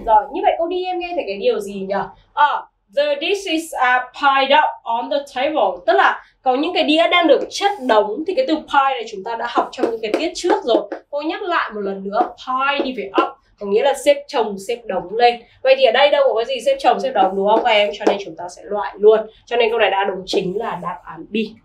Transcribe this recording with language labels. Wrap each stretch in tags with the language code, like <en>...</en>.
<vi>Rồi, như vậy cô đi em nghe thấy cái điều gì nhỉ?</vi> <en>The dishes are piled up on the table.</en> <vi>Tức là có những cái đĩa đang được chất đống. Thì cái từ pile này chúng ta đã học trong những cái tiết trước rồi. Cô nhắc lại một lần nữa, pile đi về up có nghĩa là xếp chồng xếp đống lên. Vậy thì ở đây đâu có cái gì xếp chồng xếp đống, đúng không em? Cho nên chúng ta sẽ loại luôn. Cho nên câu này đã đúng chính là đáp án B.</vi>